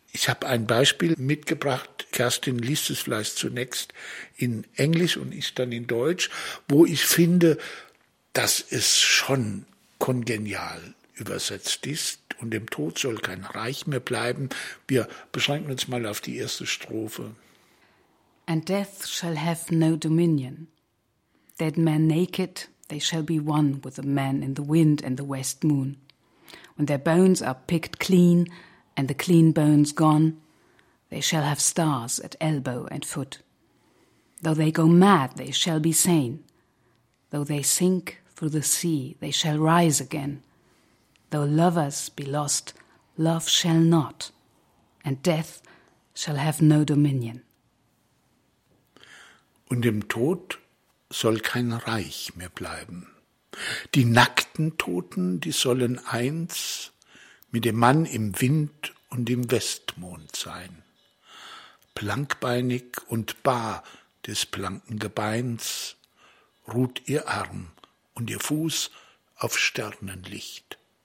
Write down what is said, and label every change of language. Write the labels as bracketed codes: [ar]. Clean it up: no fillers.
[de] Ich habe ein Beispiel mitgebracht, Kerstin liest es vielleicht zunächst in Englisch und ich dann in Deutsch, wo ich finde, dass es schon kongenial übersetzt ist und dem Tod soll kein Reich mehr bleiben. Wir beschränken uns mal auf die erste Strophe. [en] And death shall have no dominion. Dead men naked, they shall be one with the man in the wind and the west moon. When their bones are picked clean and the clean bones gone, they shall have stars at elbow and foot. Though they go mad, they shall be sane. Though they sink through the sea, they shall rise again. Though lovers be lost, love shall not, and death shall have no dominion. [de] Und im Tod soll kein Reich mehr bleiben. Die nackten Toten, die sollen eins mit dem Mann im Wind und im Westmond sein. Blankbeinig und bar des blanken Gebeins ruht ihr Arm und ihr Fuß auf Sternenlicht.